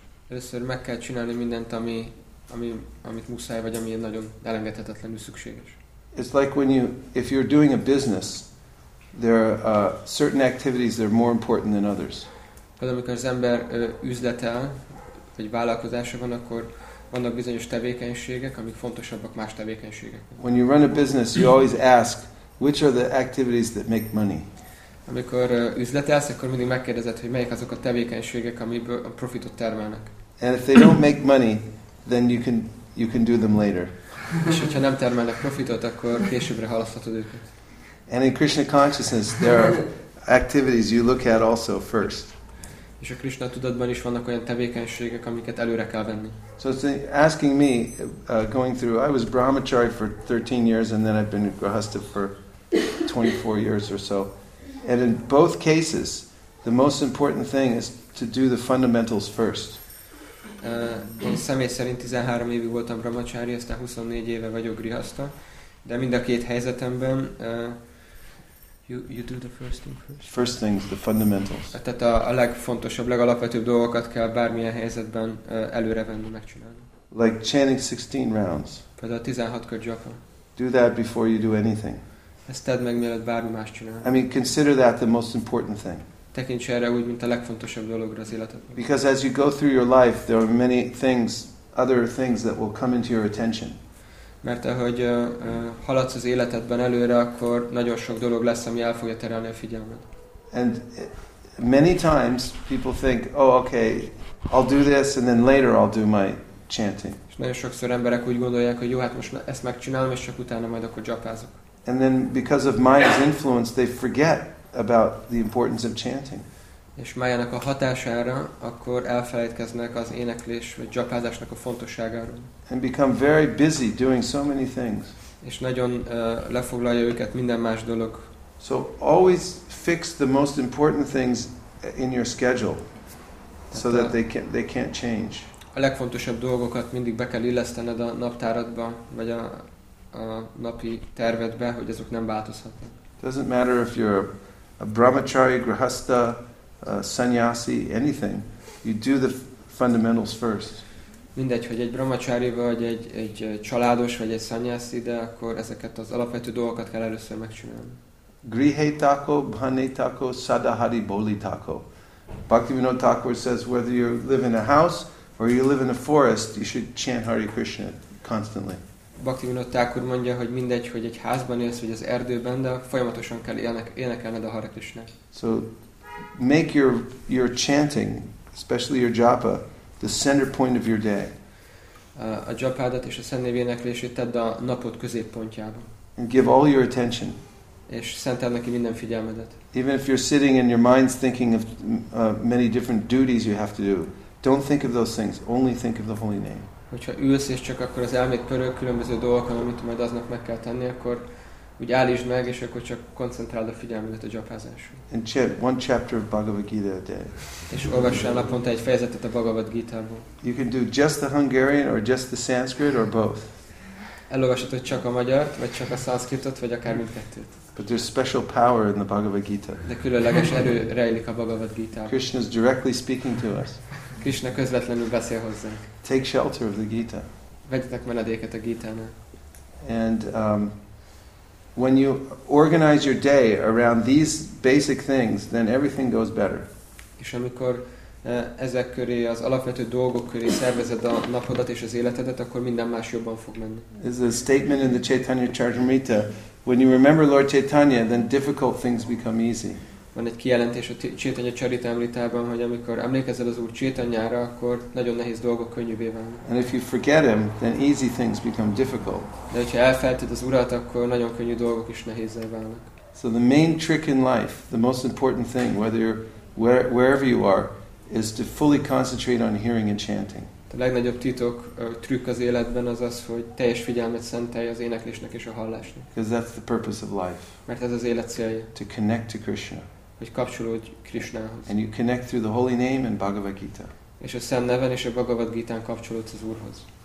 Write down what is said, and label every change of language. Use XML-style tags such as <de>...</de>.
<hu>Először meg kell csinálni mindent, amit muszáj vagy ami nagyon elengedhetetlenül szükséges.</hu> <en>It's like if you're doing a business, there are certain activities that are more important than others.</en> <hu>Például, amikor az ember üzletel, vagy vállalkozása van, akkor vannak bizonyos tevékenységek, amik fontosabbak más tevékenységek.</hu> <en>When you run a business, you always ask, which are the activities that make money?</en> <hu>Amikor üzletelsz, akkor mindig megkérdezed, hogy melyek azok a tevékenységek, amiből a profitot termelnek.</hu> <en>And if they don't make money, then you can do them later.</en> <hu>És hogyha nem termelnek profitot, akkor későbbre halaszthatod őket.</hu> <en>And in Krishna consciousness, there are activities you look at also first.</en> <hu>És a Krishna tudatban is vannak olyan tevékenységek, amiket előre kell venni.</hu> <en>So it's asking me, going through, I was brahmachari for 13 years and then I've been grihastha for 24 years or so. And in both cases, the most important thing is to do the fundamentals first.</en> <hu>Én személy szerint 13 évig voltam brahmachari, aztán 24 éve vagyok grihastha. De mind a két helyzetemben</hu> <en>you do the first thing first. First things, the fundamentals.</en> <hu>Tehát a legfontosabb, legalapvetőbb dolgokat kell bármilyen helyzetben előre venni, megcsinálni.</hu> <en>like chanting 16 rounds.</en> <hu>Például 16 kör gyakran.</hu> <en>Do that before you do anything.</en> <hu>Ezt tedd meg, mielőtt bármi más csinál.</hu> <en>I mean, consider that the most important thing.</en> <hu>Tekints erre úgy, mint a legfontosabb dologra az életedben.</hu> <en>Because as you go through your life, there are many things, other things that will come into your attention.</en> <hu>Mert ahogy haladsz az életedben előre, akkor nagyon sok dolog lesz, ami el fogja terelni a figyelmed.</hu> <en>And many times people think, oh, okay, I'll do this, and then later I'll do my chanting.</en> <hu>És nagyon sokszor emberek úgy gondolják, hogy jó, hát most ezt megcsinálom, és csak utána majd akkor japázok.</hu> <en>And then because of Maya's influence, they forget about the importance of chanting.</en> <hu>És Maya-nak a hatására, akkor elfelejtkeznek az éneklés vagy japázásnak a fontosságáról.</hu> <en>And become very busy doing so many things.</en> <hu>És nagyon lefoglalja őket minden más dolog.</hu> <en>So always fix the most important things in your schedule so that they can't change.</en> <hu>A legfontosabb dolgokat mindig be kell illesztened a naptáradba, vagy a napi tervedbe, hogy azok nem változhatnak.</hu> <en>Doesn't matter if you're a brahmachari, grihastha, sannyasi, anything. You do the fundamentals first.</en> <hu>Mindegy, hogy egy brahmachari vagy, egy családos vagy egy sannyasi, de akkor ezeket az alapvető dolgokat kell először megcsinálni.</hu> <bn>Grihetako, bhanetako, sadahari bolitako.</bn> <en>Bhaktivinoda Thakur says whether you live in a house or you live in a forest, you should chant Hare Krishna constantly.</en> <hu>Bhaktivinoda Thakur mondja, hogy mindegy, hogy egy házban élsz, vagy az erdőben, de folyamatosan kell énekelned a Hare Krishna.</hu> <en>So make your chanting, especially your japa, the center point of your day.</en> <hu>A japádat és a szentnév éneklését tedd a napod középpontjába.</hu> <en>And give all your attention.</en> <hu>És szentel neki minden figyelmedet.</hu> <en>Even if you're sitting and your mind's thinking of many different duties you have to do, don't think of those things. Only think of the holy name.</en> <hu>Hogyha ülsz és csak akkor az elméd pörög különböző dolgokon, amit majd aznak meg kell tenni, akkor úgy állítsd meg, és akkor csak koncentráld a figyelmedet a japázásra.</hu> <en>And chant one chapter of Bhagavad Gita a day.</en> <hu>És olvass el naponta egy fejezetet a Bhagavad Gita-ból.</hu> <en>You can do just the Hungarian or just the Sanskrit or both.</en> <hu>Elolvashatod csak a magyart, vagy csak a szanszkritot, vagy akár mindkettőt.</hu> <en>But there's special power in the Bhagavad Gita.</en> <hu>De különleges erő rejlik a Bhagavad Gita-ban.</hu> <en>Krishna is directly speaking to us.</en> <hu>Krishna közvetlenül beszél hozzánk.</hu> <en>Take shelter of the Gita.</en> <hu>Vegyetek menedéket a Gita-nál.</hu> <en>And when you organize your day around these basic things, then everything goes better.</en> <hu>És amikor ezek köré, az alapvető dolgok köré szervezed a napodat és az életedet, akkor minden más jobban fog menni.</hu> <en>This is a statement in the Chaitanya Charitamrita. When you remember Lord Chaitanya, then difficult things become easy.</en> <hu>Van egy kijelentés a Chaitanya Charitamritában, hogy amikor emlékezel az Úr Chaitanyára, akkor nagyon nehéz dolgok könnyűvé válnak.</hu> <en>And if you forget him, then easy things become difficult.</en> <hu>De hogyha elfelejted az Urat, akkor nagyon könnyű dolgok is nehézzé válnak.</hu> <en>So the main trick in life, the most important thing, whether you're wherever you are, is to fully concentrate on hearing and chanting.</en> <hu>A legnagyobb titok, trükk az életben az az, hogy teljes figyelmet szentelj az éneklésnek és a hallásnak.</hu> <en>Because that's the purpose of life.</en> <hu>Mert ez az élet célja.</hu> <en>To connect to Krishna.</en> <hu>Hogy kapcsolódj Krishnához.</hu> <en>And you connect through the holy name and Bhagavad Gita.</en> <hu>És a szent neven és a Bhagavad Gita-n kapcsolódsz az Úrhoz.</hu>